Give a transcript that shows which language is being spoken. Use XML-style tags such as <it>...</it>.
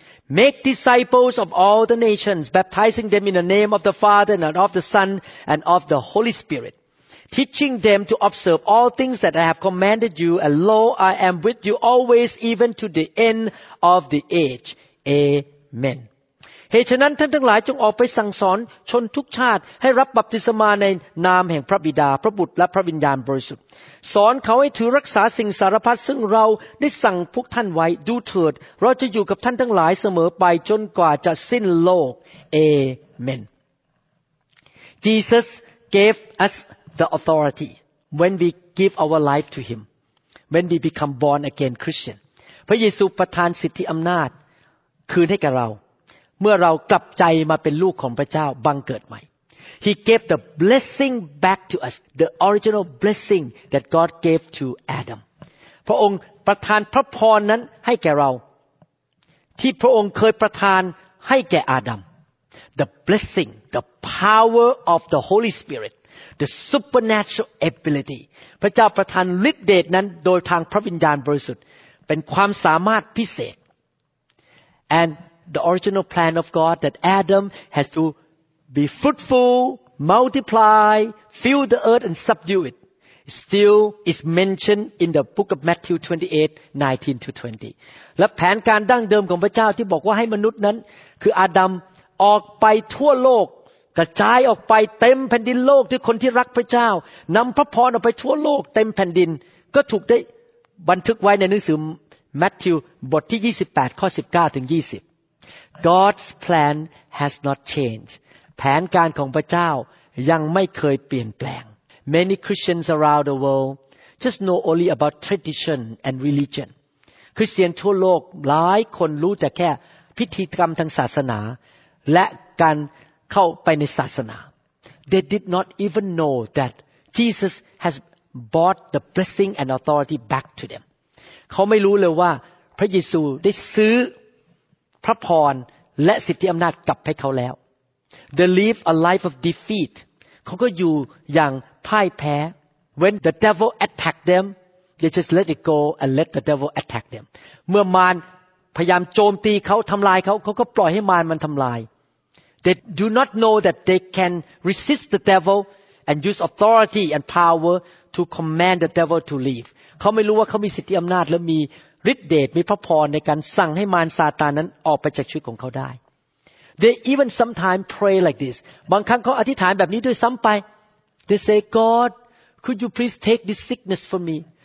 <en>Make disciples of all the nations, baptizing them in the name of the Father and of the Son and of the Holy Spirit, teaching them to observe all things that I have commanded you, and lo, I am with you always, even to the end of the age. Amen.</en> <th>เหตุฉะนั้นท่านทั้งหลายจงออกไปสั่งสอนชนทุกชาติให้รับบัพติศมาในนามแห่งพระบิดาพระบุตรและพระวิญญาณบริสุทธิ์สอนเขาให้ถือรักษาสิ่งสารพัดซึ่งเราได้สั่งพวกท่านไว้ดูเถิดเราจะอยู่กับท่านทั้งหลายเสมอไปจนกว่าจะสิ้นโลกเอเมน</th> <en>Jesus gave us the authority when we give our life to him when we become born again Christian</en> <th>พระเยซูประทานสิทธิอำนาจคืนให้แก่เราเมื่อเรากลับใจมาเป็นลูกของพระเจ้าบังเกิดใหม่</th> <en>He gave the blessing back to us the original blessing that God gave to Adam</en> <th>พระองค์ประทานพระพรนั้นให้แก่เราที่พระองค์เคยประทานให้แก่อาดัม</th> <en>The blessing the power of the Holy Spirit the supernatural ability</en> <th>พระเจ้าประทานฤทธิ์เดชนั้นโดยทางพระวิญญาณบริสุทธิ์เป็นความสามารถพิเศษ</th> <en>andThe original plan of God that Adam has to be fruitful, multiply, fill the earth and subdue it still is mentioned in the book of Matthew 28:19-20.</en> <th>และแผนการดั้งเดิมของพระเจ้าที่บอกว่าให้มนุษย์นั้นคืออาดัมออกไปทั่วโลกกระจายออกไปเต็มแผ่นดินโลกด้วยคนที่รักพระเจ้านำพระพรออกไปทั่วโลกเต็มแผ่นดินก็ถูกได้บันทึกไว้ในหนังสือมัทธิวบทที่28ข้อ19ถึง20</th> <en>God's plan has not changed.</en> <th>แผนการของพระเจ้ายังไม่เคยเปลี่ยนแปลง</th> <en>Many Christians around the world just know only about tradition and religion.</en> <th>คริสเตียนทั่วโลกหลายคนรู้แต่แค่พิธีกรรมทางศาสนาและการเข้าไปในศาสนา</th> <en>They did not even know that Jesus has bought the blessing and authority back to them.</en> <th>เขาไม่รู้เลยว่าพระเยซูได้ซื้อพระพรและสิทธิอำนาจกลับให้เขาแล้ว</th> <en>They live a life of defeat</en> <th>เขาก็อยู่อย่างพ่ายแพ้</th> <en>When the devil attack them they just let it go and let the devil attack them</en> <th>เมื่อมารพยายามโจมตีเขาทำลายเขาก็ปล่อยให้มารมันทำลาย</th> <en>They do not know that they can resist the devil and use authority and power to command the devil to leave.</en> <th>เขาไม่รู้ว่าเขามีสิทธิอำนาจและมีฤทธิ์เดชมีพระพรในการสั่งให้มารซาตานนั้นออกไปจากชีวิตของเขาได้</th> <en>They even sometimes pray like this.</en> <th>บางครั้งเขาอธิษฐานแบบนี้ด้วยซ้ำไป</th> <en>They say, God, could you please take this sickness from me?</en>